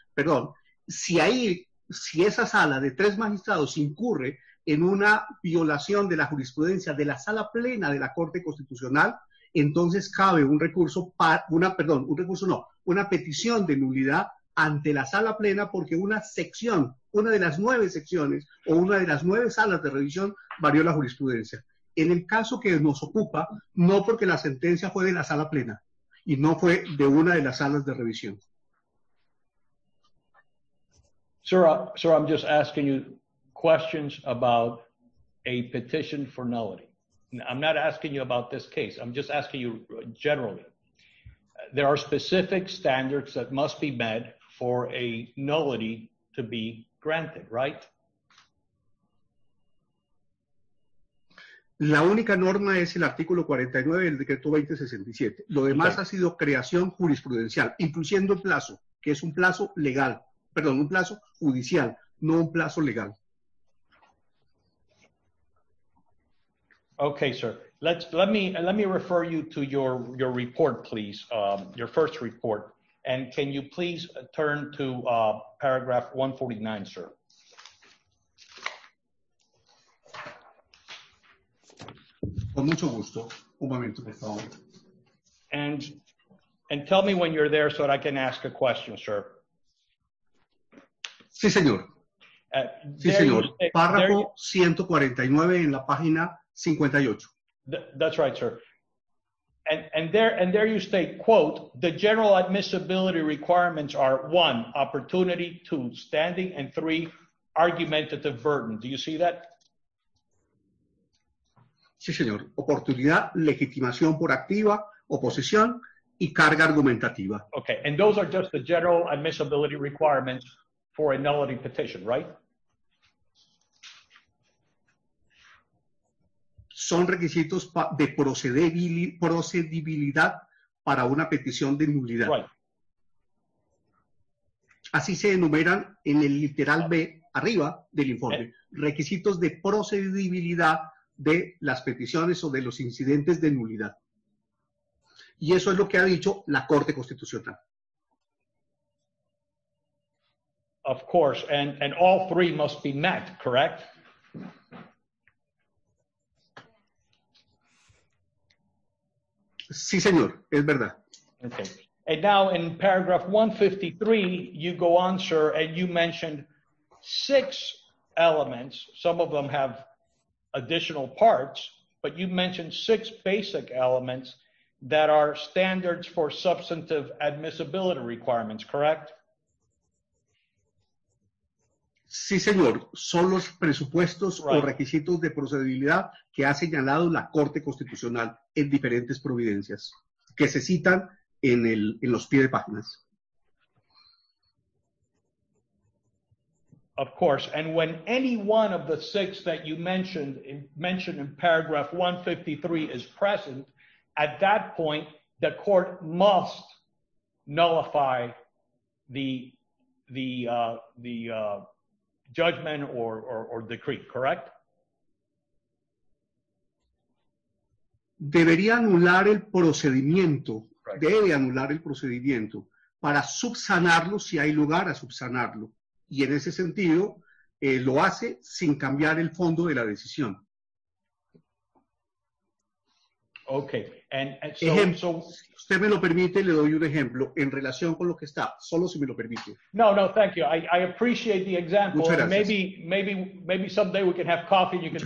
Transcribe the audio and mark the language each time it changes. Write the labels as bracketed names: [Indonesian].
[Spanish] Perdón, si esa sala de 3 magistrados incurre en una violación de la jurisprudencia de la sala plena de la Corte Constitucional, entonces cabe un recurso, una petición de nulidad ante la sala plena porque una sección, una de las 9 secciones o una de las 9 salas de revisión varió la jurisprudencia. En el caso que nos ocupa, no porque la sentencia fue de la sala plena, y no fue de una de las salas de revisión. [English] Sir, I'm just asking you questions about a petition for nullity. I'm not asking you about this case. I'm just asking you generally. There are specific standards that must be met for a nullity to be granted, right? [Spanish] La única norma es el artículo 49 del decreto 2067. Lo demás ha sido creación jurisprudencial, incluyendo el plazo, que es un plazo legal. Perdón, un plazo judicial, no un plazo legal. [English] Okay, sir. Let me refer you to your report, please. Your first report. And can you please turn to paragraph 149, sir? [Spanish] Con mucho gusto. Un momento, por favor. [English] And tell me when you're there so that I can ask a question, sir. [Spanish] Sí, señor. Sí, señor. Párrafo 149 en la página 58. [English] That's right, sir. And there you state, quote, the general admissibility requirements are 1, opportunity, 2, standing, and 3, argumentative burden. Do you see that? [Spanish] Sí, señor. Oportunidad, legitimación por activa, oposición y carga argumentativa. [English] Okay, and those are just the general admissibility requirements for a nullity petition, right? [Spanish] Son requisitos de procedibilidad para una petición de nulidad. [English] Right. [Spanish] Así se enumeran en el literal B arriba del informe. Requisitos de procedibilidad de las peticiones o de los incidentes de nulidad. Y eso es lo que ha dicho la Corte Constitucional. [English] Of course, and all three must be met, correct? [Spanish] Sí, señor, es verdad. [English] Okay. And now in paragraph 153, you go on, sir, and you mentioned six elements. Some of them have additional parts, but you mentioned six basic elements that are standards for substantive admissibility requirements, correct? [Spanish] Sí, señor. Son los presupuestos right. o requisitos de procedibilidad que ha señalado la Corte Constitucional en diferentes providencias que se citan en el en los pie de páginas. [English] Of course, and when any one of the six that you mentioned in paragraph 153 is present, at that point, the court must nullify the judgment or decree, correct? [Spanish] Debería anular el procedimiento, right. debe anular el procedimiento para subsanarlo si hay lugar a subsanarlo. Y en ese sentido, lo hace sin cambiar el fondo de la decisión. [English] Okay. [Spanish] So, si usted me lo permite, le doy un ejemplo en relación con lo que está, solo si me lo permite. [English] No, thank you. I appreciate the example. [Spanish] Muchas gracias. [English] Maybe someday we can have coffee and you can